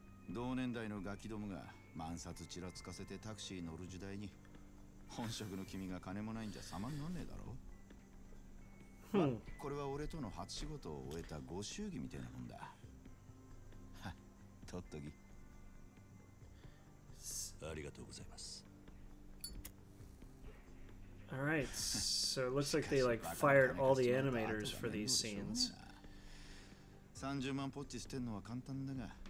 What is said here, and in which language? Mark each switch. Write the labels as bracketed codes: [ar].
[ja] 同年代のガキどもが満札ちらつかせてタクシー乗る時代に本職の君が金もないんじゃ様になんねえだろ。これは俺との初仕事を終えたご祝儀みたいなもんだ。取っとき。ありがとうございます。 [en] Alright, so it looks like they like fired all the animators for these scenes. [ja] 30万ポッチ捨てんのは簡単だが。